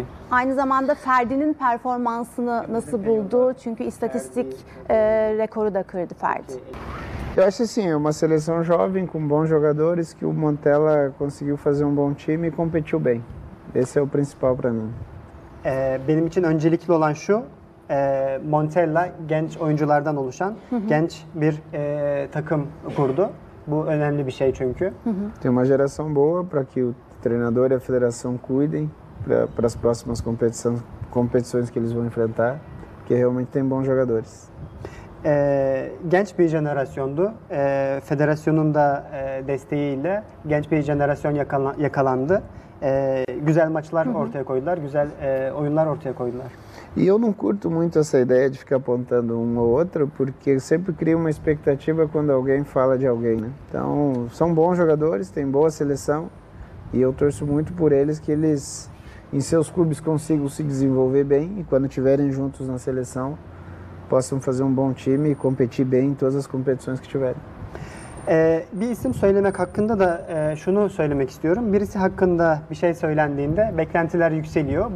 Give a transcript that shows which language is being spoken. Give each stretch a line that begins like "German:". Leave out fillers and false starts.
Turkish: Aynı zamanda Ferdi'nin performansını nasıl buldu? Çünkü istatistik rekoru da kırdı Ferdi.
Portuguese: Eu acho assim, uma seleção jovem com bons jogadores que o Montella conseguiu fazer bom time e competiu bem. Esse é o principal para mim.
Turkish: Benim için öncelikli olan şu, Montella genç oyunculardan oluşan genç bir takım kurdu. Bu önemli bir şey çünkü.
Portuguese: Tem uma geração boa para que o treinador e a federação cuidem para as próximas competições que eles vão enfrentar, que realmente tem bons jogadores.
Turkish: Genç bir jenerasyondu. Federasyonun da desteğiyle genç bir jenerasyon yakalandı. Güzel maçlar ortaya koydular, güzel oyunlar ortaya koydular.
Portuguese: E eu não curto muito essa ideia de ficar apontando um ou outro, porque sempre cria uma expectativa quando alguém fala de alguém, né? Então, são bons jogadores, têm boa seleção e eu torço muito por eles que eles em seus clubes consigam se desenvolver bem e quando estiverem juntos na seleção possam fazer bom time e competir bem em todas as competições que tiverem.
Turkish: Bir isim söylemek hakkında da şunu söylemek istiyorum. Birisi hakkında bir şey söylendiğinde beklentiler yükseliyor.